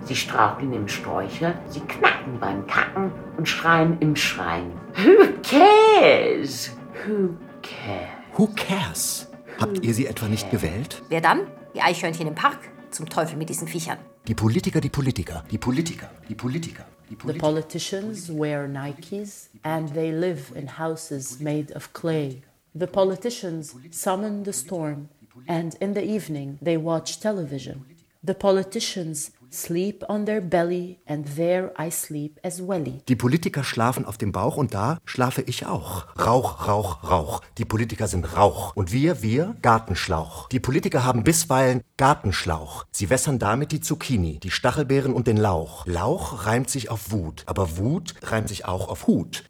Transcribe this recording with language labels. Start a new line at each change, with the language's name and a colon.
German: Sie straucheln im Sträucher, sie knacken beim Kacken und schreien im Schrein.
English: Who cares? Who cares? Who cares?
German: Habt ihr sie etwa nicht gewählt? Wer dann? Die Eichhörnchen im Park? Zum Teufel mit diesen Viechern. Die Politiker, die Politiker, die Politiker, die Politiker.
English: The politicians wear Nikes and they live in houses made of clay. The politicians summon the storm and in the evening they watch television. The politicians sleep on their belly and there I sleep as welly.
German: Die Politiker schlafen auf dem Bauch und da schlafe ich auch. Rauch, Rauch, Rauch. Die Politiker sind Rauch. Und wir, Gartenschlauch. Die Politiker haben bisweilen Gartenschlauch. Sie wässern damit die Zucchini, die Stachelbeeren und den Lauch. Lauch reimt sich auf Wut, aber Wut reimt sich auch auf Hut.